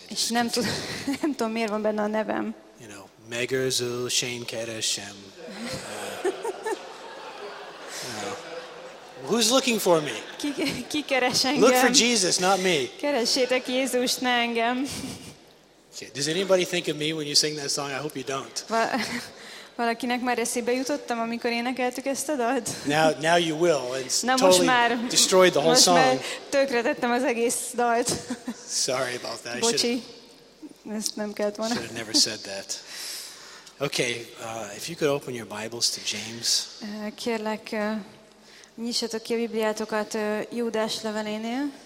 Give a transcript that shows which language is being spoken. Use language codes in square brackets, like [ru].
[hu] És nem tudom, miért van benne a nevem. [en] You know, Megerzu Shane Keresem. Who's looking for me? [hu] Ki keres engem? [en] Look for Jesus, not me. [hu] Keressétek Jézust, ne engem. [en] Okay. Does anybody think of me when you sing that song? I hope you don't. [hu] Valakinek már eszébe jutottam, amikor énekeltük ezt a dalt? [en] Now you will. It's totally destroyed the whole song. [hu] Most már tökretettem az egész dalt. [en] Sorry about that. [hu] Bocsi. Ezt nem kellett volna. [en] Should have never said that. Okay, if you could open your Bibles to James. [hu] Kérlek, nyissatok ki a Bibliátokat Júdás levelénél.